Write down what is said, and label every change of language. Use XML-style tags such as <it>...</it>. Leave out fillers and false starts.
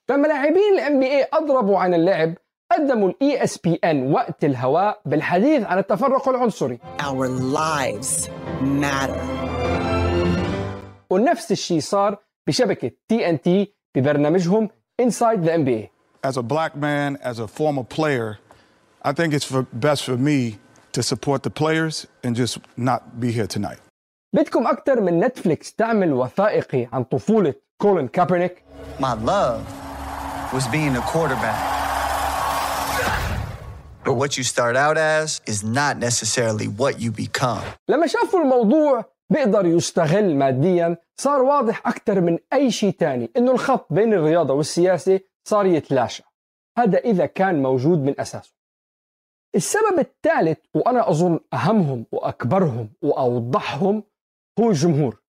<ar>فما لاعبين الـ NBA أضربوا عن اللعب، قدموا الـ ESPN وقت الهواء بالحديث عن التفرق العنصري.</ar> <en>Our lives matter.</en> <ar>ونفس الشيء صار بشبكة TNT ببرنامجهم Inside the NBA.</ar> <en>As a black man, as a former player, I think it's best for me to support the players and just not be here tonight.</en> <ar>بدكم أكتر من نتفليكس تعمل وثائقي عن طفولة كولين كابرنيك؟</ar> <en>My love was being a quarterback. But what you start out as is not necessarily what you become.</en> <ar>لما شافوا الموضوع بيقدر يستغل ماديا، صار واضح أكتر من أي شيء تاني إنه الخط بين الرياضة والسياسة صار يتلاشى. هذا إذا كان موجود من أساسه. السبب الثالث وأنا أظن أهمهم وأكبرهم وأوضحهم هو الجمهور.</ar>